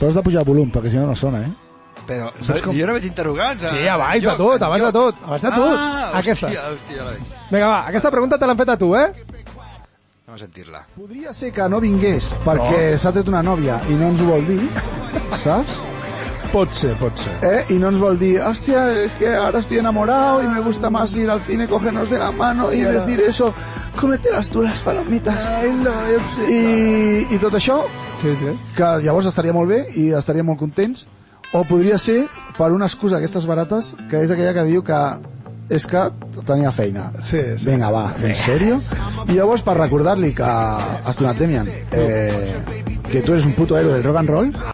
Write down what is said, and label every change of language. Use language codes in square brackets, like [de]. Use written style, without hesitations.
[ca] Però has de pujar el volum, perquè si no no sona, eh? Però jo no veig interrogants. Sí, abans de tot. Ah, hòstia, la veig. Vinga, va, aquesta pregunta te l'han fet a tu, eh? A sentir-la. Podria ser que no vingués perquè no. S'ha tret una nòvia i no ens ho vol dir, saps? Pot ser. I no ens vol dir, hòstia, es que ara [es] estoy enamorado y me gusta más ir al cine, cogernos de la mano y decir eso, cometerás tú las palomitas. Ay, no, yo sé. [ca] I tot això, sí. Que llavors estaria molt bé i estaria molt contents, o podria ser per una excusa, aquestes barates, que és aquella que diu que és que tenia feina. Sí. Vinga, va, en sèrio. I llavors, per recordar-li que has tornat, Demian, que tu [es] eres un puto héroe [ca] del rock and roll.